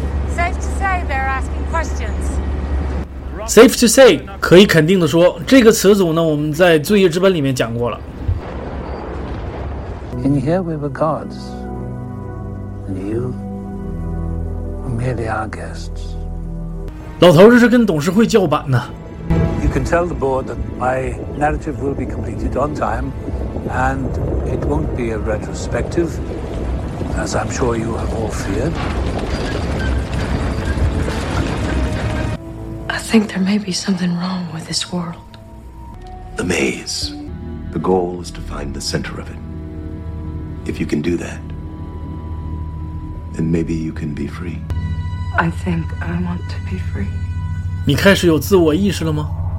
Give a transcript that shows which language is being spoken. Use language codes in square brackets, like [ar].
[en] Safe to say they're asking questions. Safe to say, [zh] 可以肯定的说，这个词组呢，我们在《罪恶之本》里面讲过了。 [en] In here we were gods, and you were merely our guests. [zh] 老头这是跟董事会叫板呢。 [en] You can tell the board that my narrative will be completed on time, and it won't be a retrospective, as I'm sure you have all feared. I think there may be something wrong with this world. The maze. The goal is to find the center of it. If you can do that, then maybe you can be free. I think I want to be free. [zh] 你开始有自我意识了吗？